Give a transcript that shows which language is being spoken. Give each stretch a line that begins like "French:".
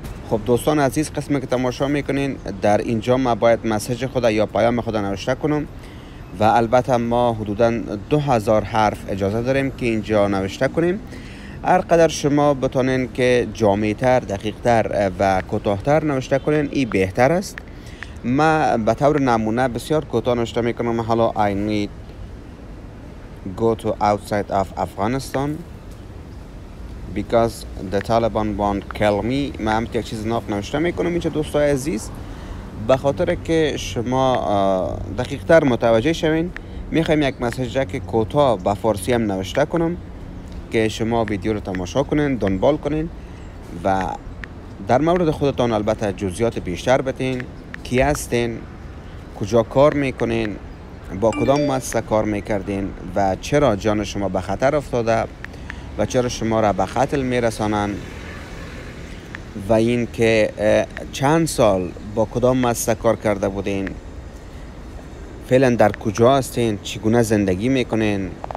Persian: خب دوستان عزیز، قسمی که تماشا میکنین، در اینجا ما باید مسیج خود یا پیام خود نوشته کنم و البته ما حدوداً 2000 حرف اجازه داریم که اینجا نوشته کنیم. هر قدر شما بتونین که جامع‌تر، دقیق‌تر و کوتاه‌تر نوشته کنین این بهتر است. ما به طور نمونه بسیار کوتاه نوشته میکنم. حالا
English: I need go to outside of Afghanistan because the Taliban won't kill me.
Persian: من هم یک چیز ناف نوشته میکنم اینجا دوستای عزیز، به خاطر که شما دقیق تر متوجه شوین میخوایم یک مسیج که کوتاه به فارسی هم نوشته کنم که شما ویدیو رو تماشا کنین، دنبال کنین و در مورد خودتان البته جزئیات بیشتر بتین، کی هستین، کجا کار میکنین، با کدام مؤسسه کار میکردین و چرا جان شما به خطر افتاده و چرا شما را به قتل میرسانن و این که چند سال با کدام مؤسسه کار کرده بودین، فعلا در کجا هستین، چگونه زندگی میکنین،